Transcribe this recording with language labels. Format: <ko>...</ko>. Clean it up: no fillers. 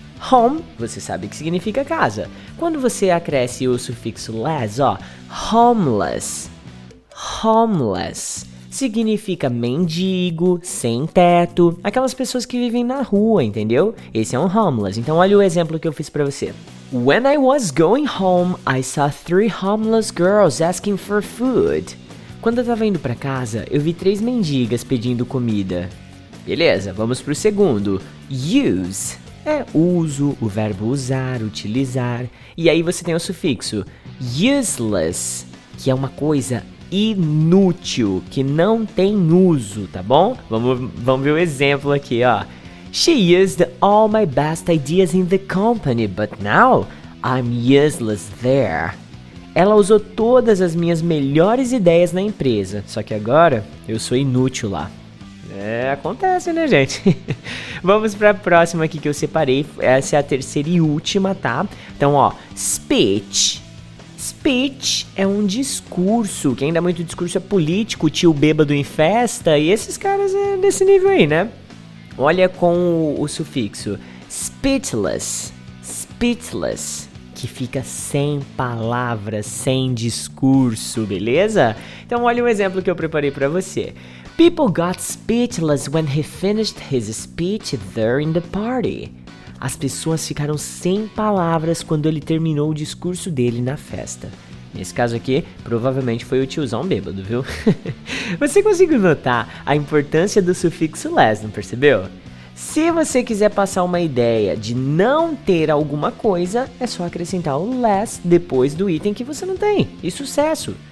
<pt>Home, você sabe que significa casa. Quando você acresce o sufixo less, ó, homeless. Homeless significa mendigo, sem teto, aquelas pessoas que vivem na rua, entendeu? Esse é um homeless. Então olha o exemplo que eu fiz pra você.</pt> <en>When I was going home, I saw three homeless girls asking for food.</en> <pt>Quando eu tava indo pra casa, eu vi três mendigas pedindo comida. Beleza, vamos pro segundo. Use. É uso, o verbo usar, utilizar. E aí você tem o sufixo useless, que é uma coisa inútil, que não tem uso, tá bom? Vamos ver o exemplo aqui, ó.</pt> <en>She used all my best ideas in the company, but now I'm useless there.</en> <pt>Ela usou todas as minhas melhores ideias na empresa, só que agora eu sou inútil lá. É, acontece, né, gente? Vamos para a próxima aqui que eu separei. Essa é a terceira e última, tá? Então, ó, speech. Speech é um discurso, que ainda muito discurso é político, tio bêbado em festa, e esses caras é desse nível aí, né? Olha com o sufixo. Speechless. Speechless. Que fica sem palavras, sem discurso, beleza? Então, olha um exemplo que eu preparei para você.</pt> <en>People got speechless when he finished his speech there in the party.</en> <pt>As pessoas ficaram sem palavras quando ele terminou o discurso dele na festa. Nesse caso aqui, provavelmente foi o tiozão bêbado, viu? Você conseguiu notar a importância do sufixo less, não percebeu? Se você quiser passar uma ideia de não ter alguma coisa, é só acrescentar o less depois do item que você não tem. E sucesso!</pt>